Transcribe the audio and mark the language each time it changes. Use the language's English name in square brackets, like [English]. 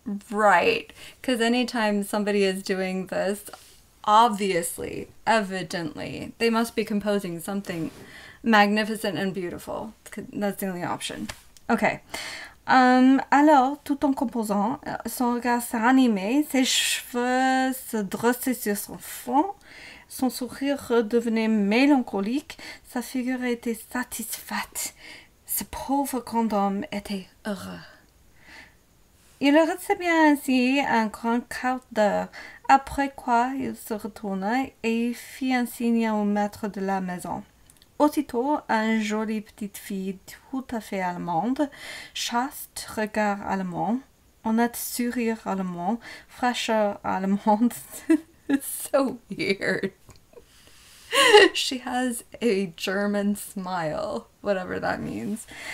[English] Right, because anytime somebody is doing this, obviously, evidently, they must be composing something magnificent and beautiful. That's the only option. Okay. [French] Alors, tout en composant, son regard s'animait, ses cheveux se dressaient sur son front, son sourire redevenait mélancolique, sa figure était satisfaite. Ce pauvre grand homme était heureux. Il le recevait ainsi un grand quart d'heure, après quoi il se retourna et il fit un signe au maître de la maison. Aussitôt, une jolie petite fille tout à fait allemande, chaste, regard allemand, honnête sourire allemand, fraîcheur allemande. [English] So weird. She has a German smile, whatever that means.